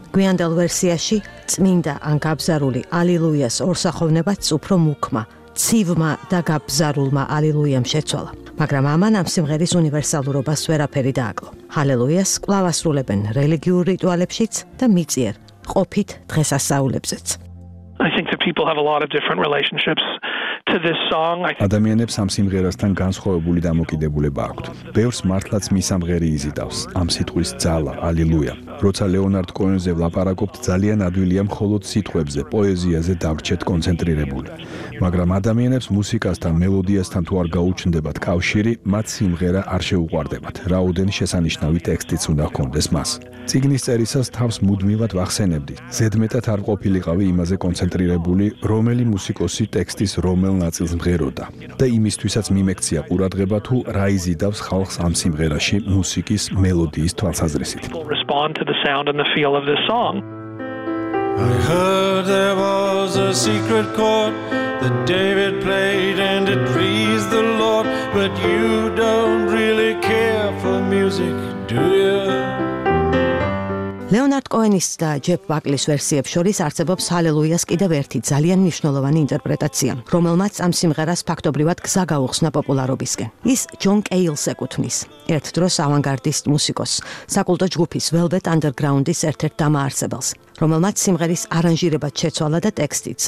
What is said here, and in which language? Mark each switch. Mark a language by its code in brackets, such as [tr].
[ka] გვიანდელ ვერსიაში წმინდა ან გაბზარული ალილუიას ორსახოვნებაც უფრო მუქმა, ცივმა და გაბზარულმა ალილუიამ შეცვალა. მაგრამ ამან ამ სიმღერის უნივერსალურობას ვერაფერი დააკლო. ჰალელუიას კვლავ ასრულებენ რელიგიურ რიტუალებშიც და მიწიერ ყოფით დღესასწაულებზეც. [en] I think that people have a lot of different relationships to this song. [ka] ადამიანებს ამ სიმღერასთან განსხვავებული დამოკიდებულება აქვთ. ბევრს მართლაც მისამღერი იზიდავს ამ სიტყვის ძალა, ალილუია. როცა ლეონარდ კოენზე ვლაპარაკობთ, ძალიან ადვილია მხოლოდ სიტყვებზე, პოეზიაზე დავრჩეთ კონცენტრირებული. მაგრამ ადამიანებს მუსიკასთან, მელოდიასთან თუ არ გაუჩნდებათ კავშირი, მათ სიმღერა არ შეუყვარდებათ, რაოდენ შესანიშნავი ტექსტიც უნდა ჰქონდეს მას. წიგნის წერისას თავს მუდმივად ვახსენებდი, ზედმეტად არ ყოფილიყავი იმაზე კონცენტრირებული, რომელი მუსიკოსი ტექსტის რომელ ნაწილს მღეროდა და იმისთვისაც მიმექცია ყურადღება, თუ რა იზიდავს ხალხს ამ სიმღერაში მუსიკის მელოდიის თვალსაზრისით. [en] To the sound and the feel of this song. I heard there was a secret chord that David played and it pleased the Lord, but you don't really care for music, do you? [ka] ლეონარდ კოენის და ჯეფ ბაკლის ვერსიებს შორის არსებობს ჰალელუიას კიდევ ერთი ძალიან მნიშვნელოვანი ინტერპრეტაცია, რომელმაც ამ სიმღერას ფაქტობრივად გზა გაუხსნა პოპულარობისკენ. ის ჯონ კეილს ეკუთვნის, ერთ დროს ავანგარდისტ მუსიკოს, საკულტო ჯგუფის Velvet Underground-ის ერთ-ერთ დამაარსებელს, რომელმაც სიმღერის არანჟირება შეცვალა და ტექსტიც.